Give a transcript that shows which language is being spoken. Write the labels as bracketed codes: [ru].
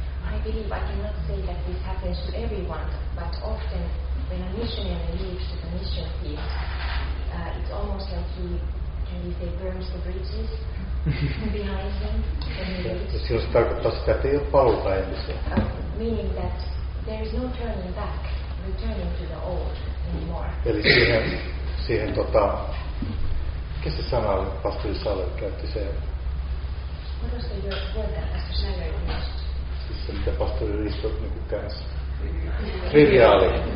[en] I believe I cannot say that this happens to everyone, but often when a missionary leaves to the mission field, it's almost like he, can we say, burns the bridges behind him. [fi] Ja silloin se tarkoittaa sitä, että ei ole paluuta entiseen. [en] Meaning that there is no turning back, returning to the old anymore. [fi] Eli siihen mikä se sana oli, pastori Salle käytti se? Siis se, mitä pastori Risto niin käänsi. Triviaali.